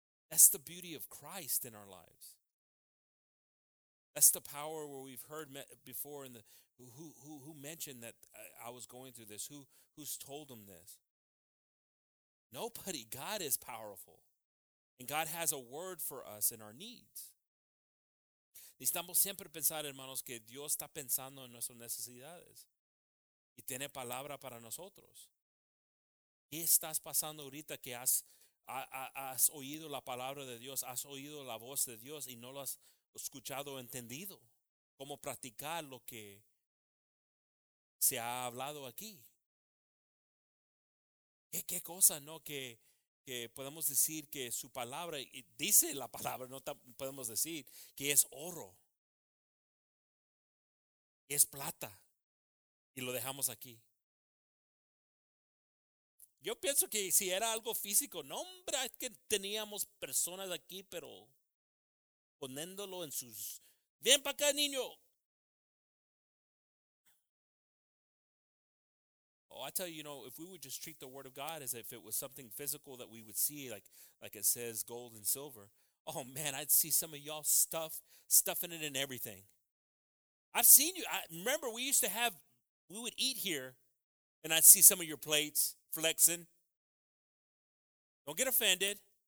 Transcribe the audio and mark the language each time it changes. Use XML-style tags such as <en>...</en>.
<en>That's the beauty of Christ in our lives. That's the power where we've heard before in the who mentioned that I was going through this. Who's told them this? Nobody. God is powerful, and God has a word for us in our needs.</en> <es>Necesitamos siempre pensar, hermanos, que Dios está pensando en nuestras necesidades y tiene palabra para nosotros. ¿Qué estás pasando ahorita que has oído la palabra de Dios, has oído la voz de Dios y no lo has escuchado o entendido? ¿Cómo practicar lo que se ha hablado aquí? ¿Qué cosa, no? Que podemos decir que su palabra, y dice la palabra, no podemos decir que es oro, que es plata, y lo dejamos aquí. Yo pienso que si era algo físico, no, hombre, es que teníamos personas aquí, pero poniéndolo en sus, ven para acá, niño.</es> <en>Oh, I tell you, you know, if we would just treat the word of God as if it was something physical that we would see, like it says gold and silver, oh man, I'd see some of y'all stuffing it in everything. I've seen you. I remember we would eat here, and I'd see some of your plates flexing. Don't get offended.</en>